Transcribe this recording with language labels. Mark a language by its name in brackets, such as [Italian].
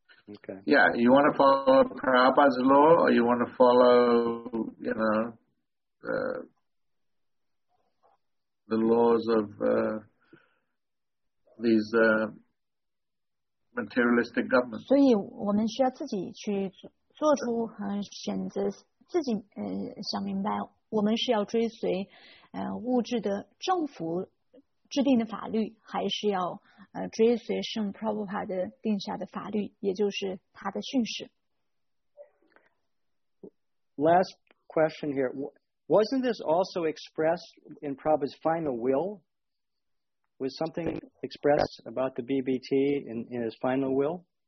[English] Okay. Yeah, you want to follow Prabhupada's law, or you want to follow, you know, the laws of these materialistic governments? [Chinese] 所以我们需要自己去做出和选择，自己想明白，我们是要追随物质的政府制定的法律，还是要追随圣普拉布帕的定下的法律，也就是他的训示。 [English] Last question here. Wasn't this also expressed in Prabhupada's final will? Was something expressed about the BBT in his final will?